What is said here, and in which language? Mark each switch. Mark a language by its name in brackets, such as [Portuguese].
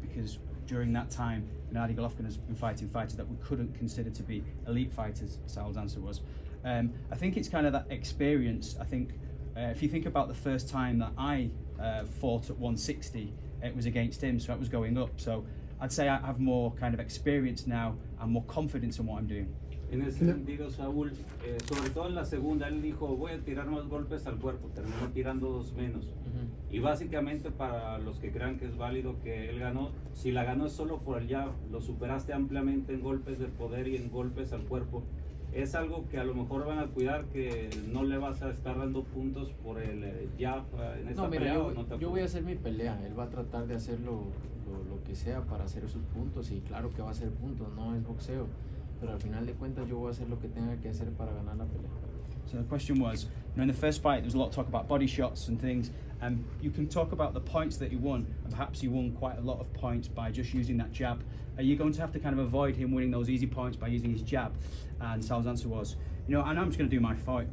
[English] Because during that time, Gennady Golovkin has been fighting fighters that we couldn't consider to be elite fighters, Sal's answer was. I think it's kind of that experience. I think if you think about the first time that I fought at 160, it was against him, so it was going up. So I'd say I have more kind of experience now and more confidence in what I'm doing. [Spanish] En ese sentido, Saúl, sobre todo en la segunda, él dijo, voy a tirar más golpes al cuerpo, terminó tirando 2 menos. Uh-huh. Y básicamente, para los que crean que es válido que él ganó, si la ganó es solo por el jab, lo superaste ampliamente en golpes de poder y en golpes al cuerpo. Es algo que a lo mejor van a cuidar, que no le vas a estar dando puntos por el jab en esta pelea. Yo voy a hacer mi pelea, él va a tratar de hacer lo que sea para hacer sus puntos, y claro que va a hacer puntos, no es boxeo. Pero al final de cuentas, yo voy a hacer lo que tenga que hacer para ganar la pelea. [English] So the question was, you know, in the first fight, there was a lot of talk about body shots and things. You can talk about the points that you won, and perhaps you won quite a lot of points by just using that jab. Are you going to have to kind of avoid him winning those easy points by using his jab? And Sal's answer was, you know, and I'm just going to do my fight.